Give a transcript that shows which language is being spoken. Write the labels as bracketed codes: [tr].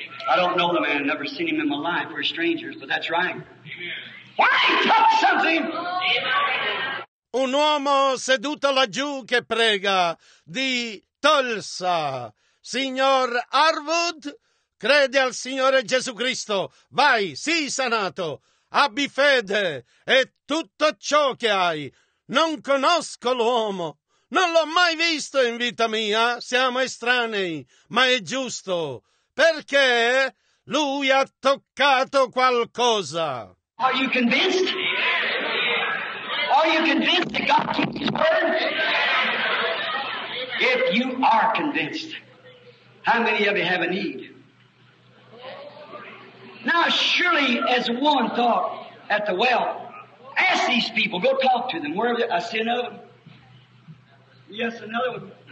[en] I don't know the man. I've never seen him in my life. We're strangers, but that's right. Amen. Why? Touch something! Amen. [it] Un uomo seduto laggiù che prega di Tulsa. Signor Harwood? Credi al Signore Gesù Cristo, vai, sii sanato, abbi fede e tutto ciò che hai. Non conosco l'uomo, non l'ho mai visto in vita mia, siamo estranei, ma è giusto, perché lui ha toccato qualcosa. [en] Are you convinced? Are you convinced that God keeps his word? If you are convinced, how many of you have a need? Now, surely, as a woman thought at the well, ask these people, go talk to them. Where are they? I see another one. Yes, another one.